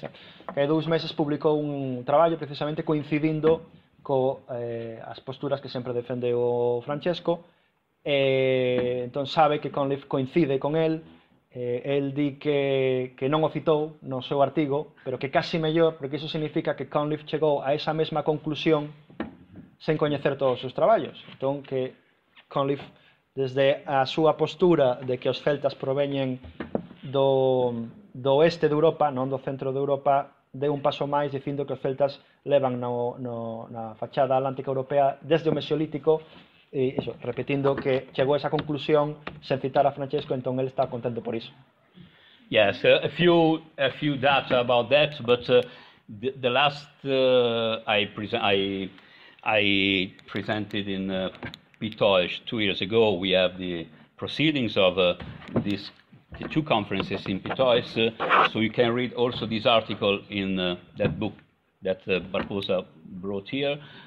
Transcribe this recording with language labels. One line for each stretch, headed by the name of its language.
Galician: Que hai 2 meses publicou un traballo precisamente coincidindo co as posturas que sempre defende o Francesco. Entón sabe que Cunliffe coincide con él. El di que non o citou no seu artigo, pero que casi mellor, porque iso significa que Cunliffe chegou a esa mesma conclusión sen coñecer todos os seus traballos. Entón, que Cunliffe, desde a súa postura de que os celtas proveñen do oeste de Europa, non do centro de Europa, deu un paso máis dicindo que os celtas levan na fachada atlántica europea desde o Mesolítico.
Spanish: Y eso, repitiendo que llegó a esa conclusión sin citar a Francesco, entonces él está contento por eso.
English: Yes, a few data about that, but the last I presented in Pitoj 2 years ago, we have the proceedings of the 2 conferences in Pitoj, so you can read also this article in that book that Barbosa brought here.